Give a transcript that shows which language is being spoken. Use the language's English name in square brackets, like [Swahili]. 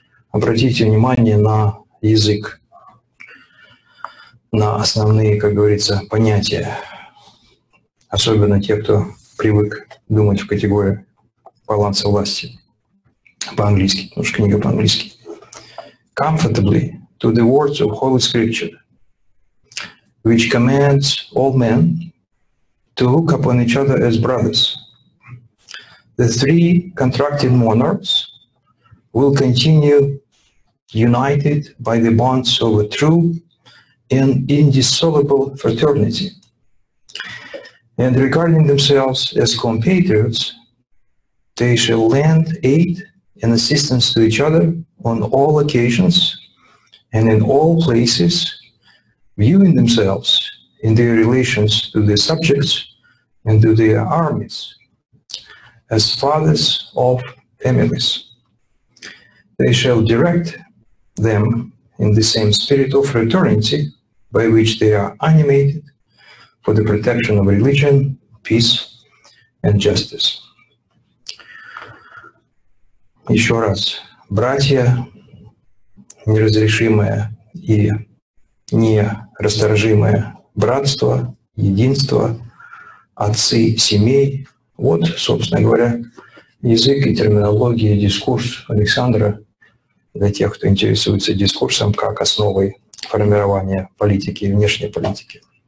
[Russian] Обратите внимание на язык, на основные, как говорится, понятия. Особенно те, кто привык думать в категории баланса власти по-английски, потому что книга по-английски. [English] «Comfortably to the words of Holy Scripture, which commands all men to look upon each other as brothers. The three contracted monarchs will continue united by the bonds of a true and indissoluble fraternity. And regarding themselves as compatriots, they shall lend aid and assistance to each other on all occasions and in all places, viewing themselves in their relations to their subjects and to their armies as fathers of families. They shall direct them in the same spirit of fraternity by which they are animated for the protection of religion, peace, and justice. [Russian] Еще раз. Братья, неразрешимое и нерасторжимое братство, единство, отцы семей. Вот, собственно говоря, язык и терминология, дискурс Александра для тех, кто интересуется дискурсом как основой формирования политики, внешней политики.